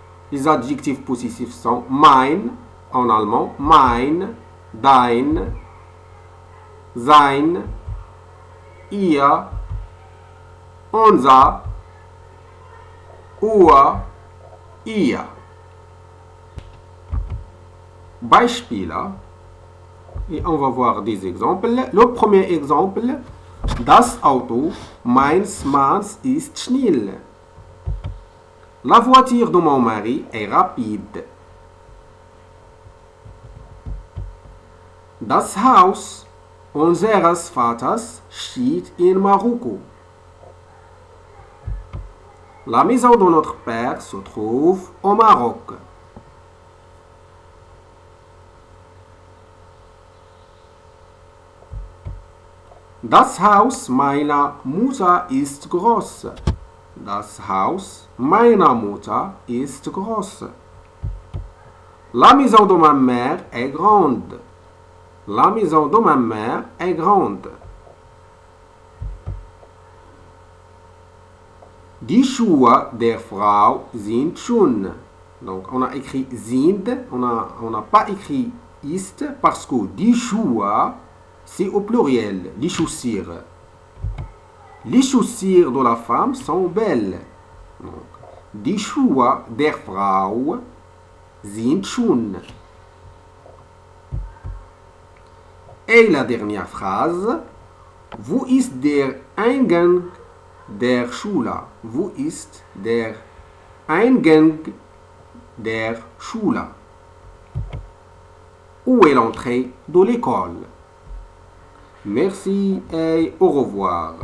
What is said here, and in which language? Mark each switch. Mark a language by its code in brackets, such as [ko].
[fr] Les adjectifs possessifs sont mein en allemand, mein, dein, sein, ihr, unser, ua, ia. Beispiele. Et on va voir des exemples. Le premier exemple, [de] Das Auto meines Mannes ist schnell. [fr] La voiture de mon mari est rapide. [de] Das Haus unseres Vaters steht in Marokko. [fr] La maison de notre père se trouve au Maroc. [de] Das Haus meiner Mutter ist groß. Das Haus meiner Mutter ist groß. [fr] La maison de ma mère est grande. La maison de ma mère est grande. [de] Die Schuhe der Frau sind schön. [fr] Donc on a écrit sind, on a pas écrit ist parce que die Schuhe c'est au pluriel, les chaussures. Les chaussures de la femme sont belles. [de] Donc, die Schuhe der Frau sind schön. [fr] Et la dernière phrase. [de] Wo ist der Eingang der Schule? Wo ist der Eingang der Schule? [fr] Où est l'entrée de l'école? Merci et au revoir.